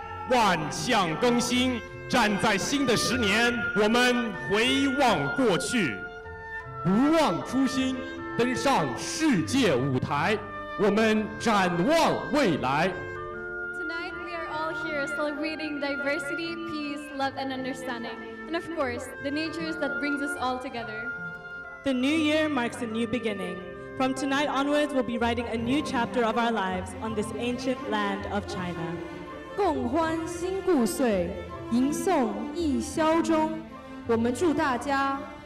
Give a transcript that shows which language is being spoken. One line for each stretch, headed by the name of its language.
Chinese: 万象更新，站在新的十年，我们回望过去，不忘初心，登上世界舞台，我们展望未来。
English: Tonight we are all here celebrating diversity, peace, love and understanding, and of course, the nature that brings us all together. The new year marks a new beginning. From tonight onwards, we'll be writing a new chapter of our lives on this ancient land of China.
Chinese: 共欢新故岁，迎送一宵中，我们祝大家